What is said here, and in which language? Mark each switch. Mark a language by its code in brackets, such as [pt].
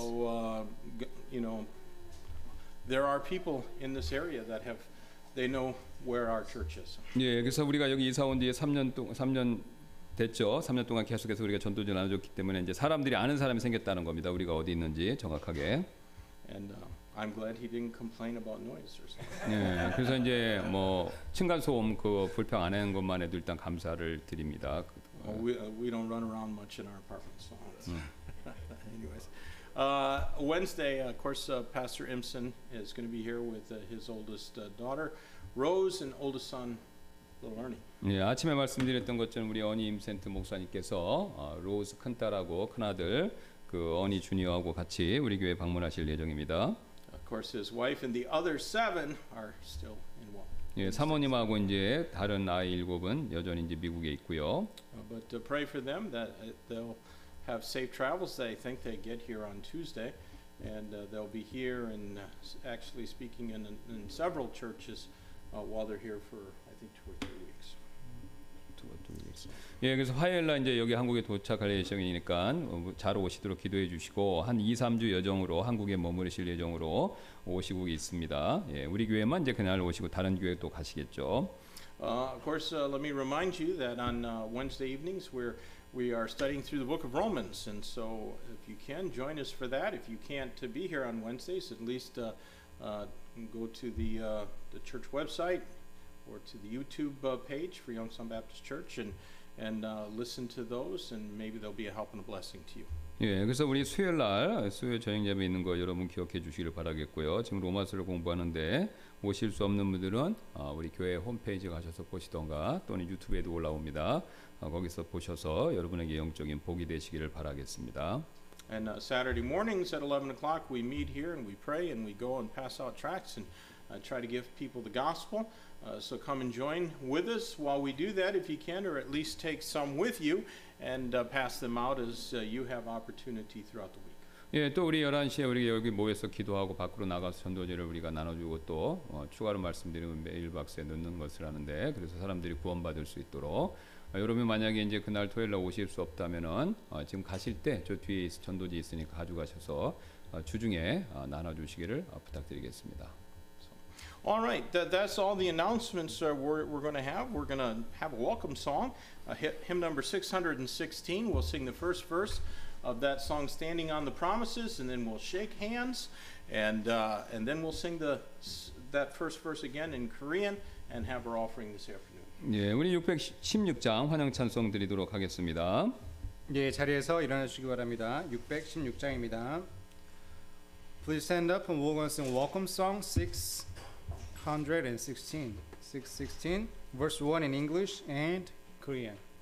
[en] So you know, there are people in this area that have. They know where our church is. [ko] 예, 그래서 우리가 여기 이사 온 뒤에 3년 됐죠. 3년 동안 계속해서 우리가 전도지 나눠줬기 때문에 이제 사람들이 아는 사람이 생겼다는 겁니다. 우리가 어디 있는지 정확하게. [en] And I'm glad he didn't complain about noise or something. [ko] 예, 그래서 이제 뭐 층간 소음 그 불평 안 하는 것만 해도 일단 감사를 드립니다. [en] Well, we don't run around much in our apartment, so. Anyways. Wednesday, of course, Pastor Imson is going to be here with his oldest daughter, Rose, and oldest son, little Ernie. [ko] 예, 아침에 말씀드렸던 것처럼 우리 어니 임센트 목사님께서 로즈 큰딸하고 큰아들 그 어니 주니어하고 같이 우리 교회 방문하실 예정입니다. [en] Of course, his wife and the other seven are still in one. [ko] 예, 사모님하고 이제 다른 아이 일곱은 여전히 이제 미국에 있고요. [en] But pray for them that they'll have safe travels. They think they get here on Tuesday, and they'll be here and actually speaking in several churches while they're here for I think two or three weeks. Two or three weeks. [ko] 예, 그래서 화요일 날 이제 여기 한국에 도착할 예정이니까 잘 오시도록 기도해 주시고 한 2, 3주 여정으로 한국에 머무르실 예정으로 오시고 있습니다. 예, 우리 교회만 이제 그날 오시고 다른 교회 또 가시겠죠. [en] Of course, let me remind you that on Wednesday evenings we are studying through the book of Romans, and so if you can join us for that, if you can't be here on Wednesdays, at least go to the church website or to the YouTube page for Yongsan Baptist Church and listen to those, and maybe they'll be a help and a blessing to you. [ko] 예, 그래서 우리 수요일 날 수요 저녁 예배 있는 거 여러분 기억해 주시길 바라겠고요. 지금 로마서를 공부하는데 오실 수 없는 분들은 우리 교회 홈페이지 가셔서 보시던가 또는 유튜브에도 올라옵니다. 거기서 보셔서 여러분에게 영적인 복이 되시기를 바라겠습니다. [en] And Saturday mornings at 11 o'clock we meet here and we pray and we go and pass out tracts and try to give people the gospel. So come and join with us while we do that if you can, or at least take some with you and pass them out as you have opportunity throughout the week. [ko] 예, 또 우리 11시에 우리 여기 모여서 기도하고 밖으로 나가서 전도지를 우리가 나눠주고 또 추가로 말씀드리면 메일박스에 넣는 것을 하는데 그래서 사람들이 구원받을 수 있도록 여러분이 만약에 이제 그날 토요일 날 오실 수 없다면은 지금 가실 때 저 뒤에 전도지 있으니까 가져가셔서 주중에 나눠주시기를 부탁드리겠습니다. [en] All right, that's all the announcements we're going to have. We're going to have a welcome song, hymn number 616. We'll sing the first verse of that song, Standing on the Promises, and then we'll shake hands, and then we'll sing that first verse again in Korean and have our offering this afternoon. [ko] 예, 우리 616장 환영 찬송 드리도록 하겠습니다. 예, 자리에서 일어나 주시기 바랍니다. 616장입니다. [en] Please stand up and we're going to sing welcome song 616, verse 1 in English and Korean.